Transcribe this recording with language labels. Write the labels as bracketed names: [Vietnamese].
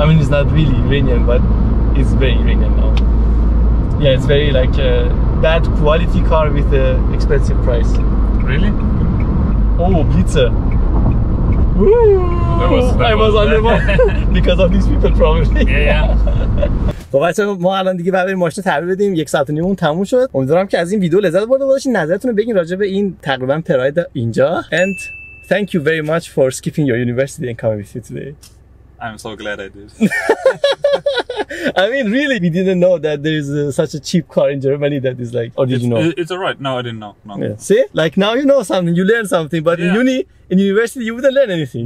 [English] I mean, it's not really Iranian, but it's very Iranian now. Yeah, it's very like a bad quality car with an expensive price. Really? Oh, blitzer. Woo! I was on the one because of these people, probably. Yeah, yeah. [Persian] خب بچه‌ها ما الان دیگه بعد بریم ماشین رو تعبیر بدیم، 1 ساعت و نیم اون تموم شد. امیدوارم که از این ویدیو لذت برده باشین، نظرتون رو بگین راجع به این تقریبا پراید اینجا. [English] And thank you very much for skipping your university and coming with you today. I'm so glad I did. I mean really we didn't know that there is such a cheap car in Germany that is like, or did it's, you know? It's alright, no I didn't know. No. Yeah. See? Like now you know something, you learn something, but yeah. In uni, in university you wouldn't learn anything.